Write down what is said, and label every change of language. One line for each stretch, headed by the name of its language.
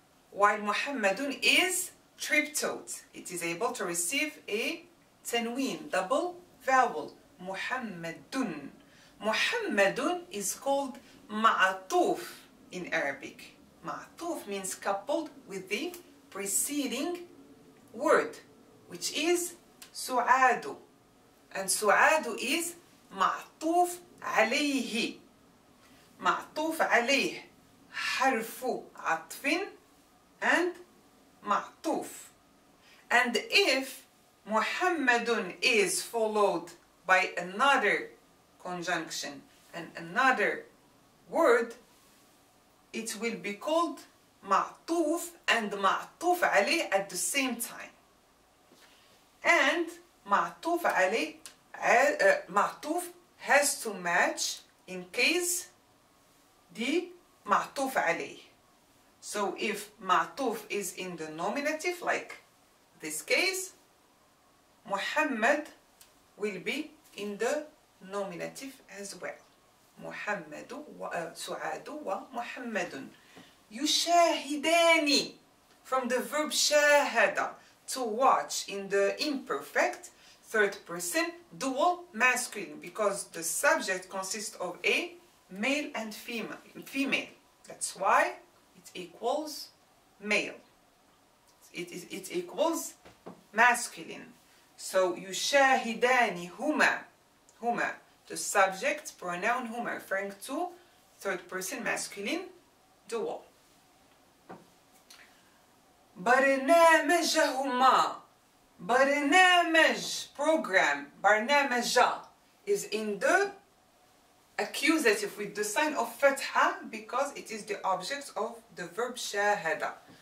English: While Muhammadun is triptote, it is able to receive a tanween, double vowel. Muhammadun. Muhammadun is called ma'atuf in Arabic. Ma'atuf means coupled with the preceding word, which is سعاد. And سعاد is معطوف عليه.
Arabic: معطوف عليه. حرف عطف and معطوف.
English: And if محمد is followed by another conjunction and another word, it will be called معطوف and معطوف عليه at the same time. And معطوف عليه معطوف has to match in case the معطوف عليه. So if معطوف is in the nominative, like this case, محمد will be in the nominative as well.
Arabic: محمد وسعاد ومحمد. يشاهداني.
English: From the verb شاهد, to watch, in the imperfect third person dual masculine, because the subject consists of a male and female. That's why it equals male. It equals masculine.
Arabic: So يشاهداني هما.
English: هما, the subject pronoun هما, referring to third person masculine dual.
Arabic: برنامجهما.
English: برنامج, program. برنامج is in the accusative with the sign of fatha because it is the object of the verb شاهد.